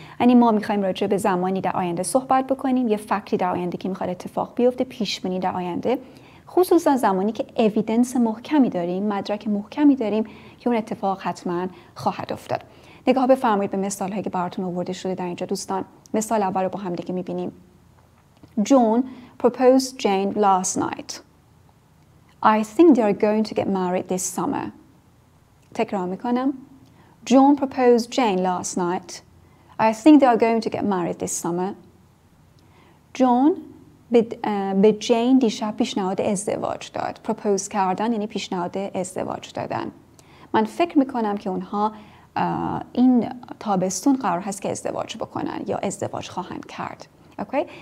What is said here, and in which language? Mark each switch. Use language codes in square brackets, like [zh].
[fa] یعنی ما میخواییم راجع به زمانی در آینده صحبت بکنیم، یه فکتی در آینده که میخواد اتفاق بیفته، پیشبینی در آینده، خصوصا زمانی که اویدنس محکمی داریم، مدرک محکمی داریم که اون اتفاق حتما خواهد افتاد. نگاه بفرمایید به مثال هایی که براتون آورده شده در اینجا دوستان. مثال اول رو با هم دیگه میبینیم. [en] John proposed Jane last night. I think they are going to get married this summer. تکرار میکنم. John proposed Jane last night. I think they are going to get married this summer. [fa] John به Jane دیشب پیشنهاد ازدواج داد. Propose کردن یعنی پیشنهاد ازدواج دادن. من فکر میکنم که اونها این تابستون قرار هست که ازدواج بکنن یا ازدواج خواهند کرد. [en] Okay.